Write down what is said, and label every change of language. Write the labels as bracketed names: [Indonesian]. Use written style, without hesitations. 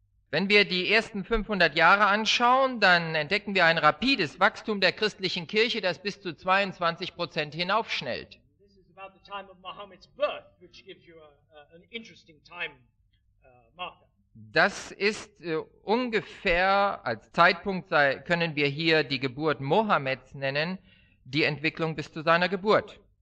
[German] Wenn wir die ersten 500 Jahre anschauen, dann entdecken wir ein rapides Wachstum der christlichen Kirche, das bis zu 22% hinaufschnellt. [English] This is about the time of Muhammad's birth, which gives you an interesting time marker. [German] Das ist ungefähr, als Zeitpunkt können wir hier die Geburt Mohammeds nennen, die Entwicklung bis zu seiner Geburt.